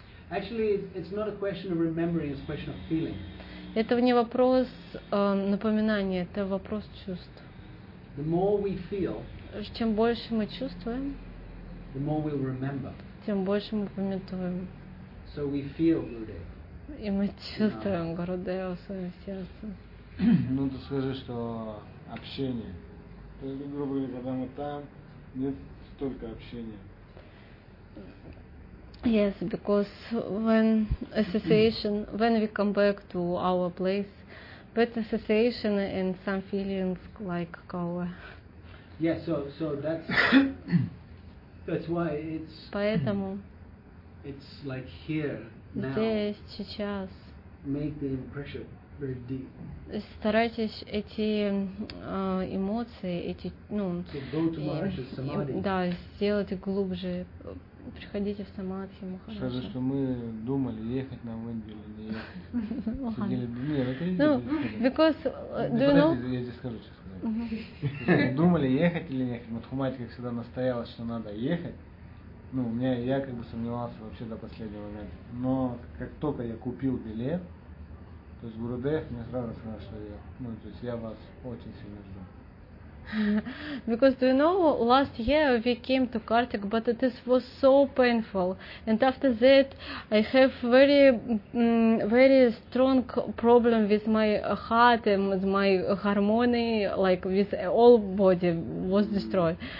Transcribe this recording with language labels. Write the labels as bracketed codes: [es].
[en] Actually, it's not a question of remembering, it's a question of feeling. [ru] Это не вопрос напоминания, это вопрос чувств. [en] The more we feel, [ru] чем больше мы чувствуем, [en] the more we'll remember. [ru] Тем больше мы памятуем. [en] So we feel [ru] и мы чувствуем Гурудева в своем сердце. Ну, ты скажи, что общение. То есть, грубо говоря, когда мы там, нет столько общения. [en] Yes, because when association, when we come back to our place, but association and some feelings like our. Yeah, so that's why it's [ru] поэтому [en] it's like here now [ru] здесь сейчас [en] make the impression very deep [ru] старайтесь эти эмоции эти ну [en] so go to Maharaja Samadhi. [ru] Да сделайте глубже приходите в самадхи Махараджа скажи что мы думали ехать на Индию или не ехать сидели ну [en] because do you know [ru] я тебе скажу сейчас думали ехать или не ехать. Матхумати как всегда настояла, что надо ехать. Ну, у меня я как бы сомневался вообще до последнего момента. Но как только я купил билет, то есть Гурудев мне сразу сказал, что я, ну, то есть я вас очень сильно жду. [en] Because do you know, last year we came to Kartik, but it was so painful. And after that, I have very, very strong problem with my heart and with my harmony, like with all body was destroyed.